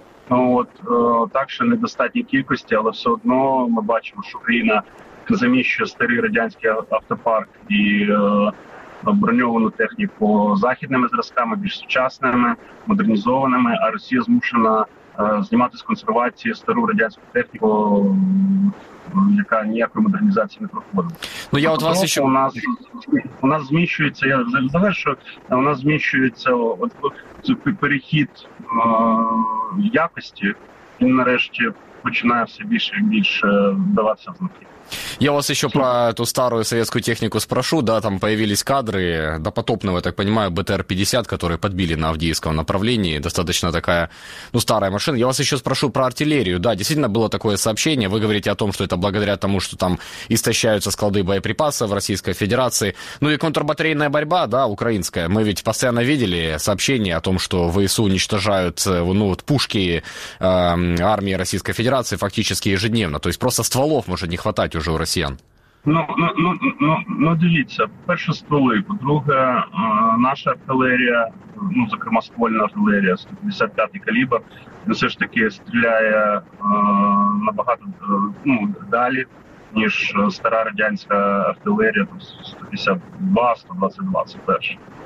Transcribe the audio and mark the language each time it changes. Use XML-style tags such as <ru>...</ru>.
<uk>Ну от так, що недостатні кількості, але все одно ми бачимо, що Україна заміщує старий радянський автопарк і броньовану техніку західними зразками, більш сучасними, модернізованими, а Росія змушена знімати з консервації стару радянську техніку, яка ніякої модернізації не проходить. Ну я от вас ще... у нас зміщується, я завершу, у нас зміщується цей перехід якості, він нарешті починає все більше і більше даватися знаки.</uk> <ru>Я вас еще про эту старую советскую технику спрошу, да, там появились кадры допотопного, я так понимаю, БТР-50, которые подбили на Авдеевском направлении, достаточно такая, ну, старая машина. Я вас еще спрошу про артиллерию, да, действительно было такое сообщение, вы говорите о том, что это благодаря тому, что там истощаются склады боеприпасов в Российской Федерации, ну и контрбатарейная борьба, да, украинская, мы ведь постоянно видели сообщения о том, что ВСУ уничтожают, ну, вот пушки армии Российской Федерации фактически ежедневно, то есть просто стволов может не хватать уже у росіян.</ru> <uk>Ну, дивіться, перше, стволи, по-друге, наша артилерія, ну, зокрема, ствольна артилерія 155-й калібр, все ж таки стріляє набагато, ну, далі, ніж стара радянська артилерія, там 152, 122, це перше.</uk>